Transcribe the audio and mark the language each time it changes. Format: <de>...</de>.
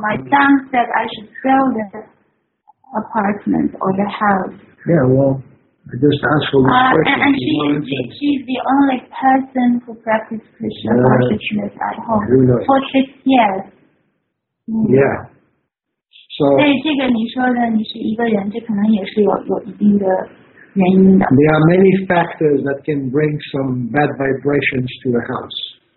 <en>My son said I should sell the apartment or the house. Yeah, well, I just asked for this question. And she's the only person who practices Krishna consciousness at home for 6 years. Yeah. So.</en> <zh>对这个你说的，你是一个人，这可能也是有一定的原因的。</zh> <en>There are many factors that can bring some bad vibrations to the house.</en>